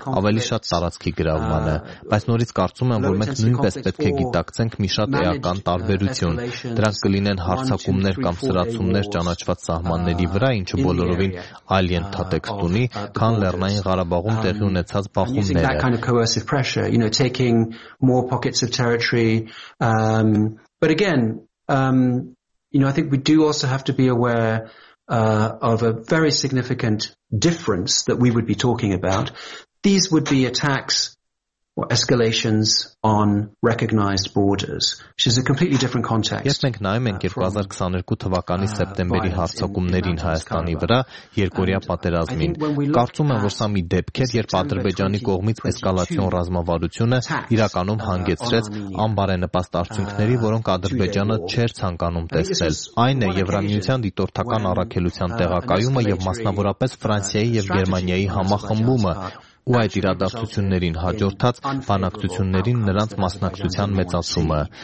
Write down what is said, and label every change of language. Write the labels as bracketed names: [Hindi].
[Armenian] ավելի շատ տարածքի գրավմանը։ Բայց նորից կարծում եմ, որ մենք նույնպես պետք է գիտակցենք մի շատ էական տարբերություն։ Դրանք կլինեն հարձակումներ կամ սրացումներ ճանաչված սահմանների վրա, ինչը բոլորովին այլ ենթատեքստ ունի, քան Լեռնային Ղարաբաղում տեղի ունեցած բախումները։ [English] Of a very significant difference that we would be talking about. These would be attacks or escalations on recognized borders, which is a completely different context. [Armenian] Ես մենք նայում ենք 2022 թվականի սեպտեմբերի հարձակումներին Հայաստանի վրա երկօրյա պատերազմին։ Կարծում եմ, որ սա մի դեպք է, երբ Ադրբեջանի կողմից էսկալացիոն ռազմավարությունը իրականում հանգեցրեց անբարենպաստ արդյունքների, որոնք Ադրբեջանը չէր ցանկանում տեսնել։ Այն է Եվրամիության դիտորդական առաքելության տեղակայումը եւ մասնավորապես Ֆրանսիայի եւ Գերմանիայի համախմբումը, ու այդ իրադարձություններին հաջորդած բանակցություններին նրանց մասնակցության մեծացումը։